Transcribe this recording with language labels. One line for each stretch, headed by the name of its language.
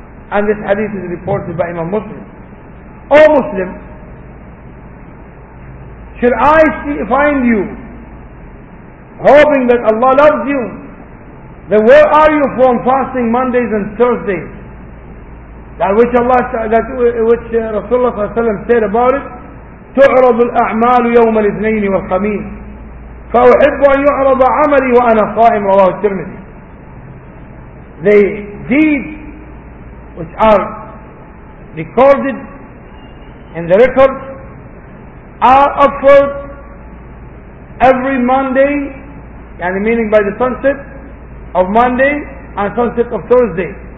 English: And this hadith is reported by Imam Muslim. O Muslim, should I find you hoping that Allah loves you, then where are you from fasting Mondays and Thursdays? That which Allah, that which Rasulullah ﷺ said about it,
Arabic: تُعْرَضُ الْأَعْمَالُ يَوْمَ الْإِثْنَيْنِ وَالْخَمِيسِ فَأُحِبُّ أَنْ يُعْرَضَ عَمَلِي وَأَنَا صَائِمُ. رواه الترمذي.
English: The deeds which are recorded in the records are offered every Monday, and meaning by the sunset of Monday and sunset of Thursday.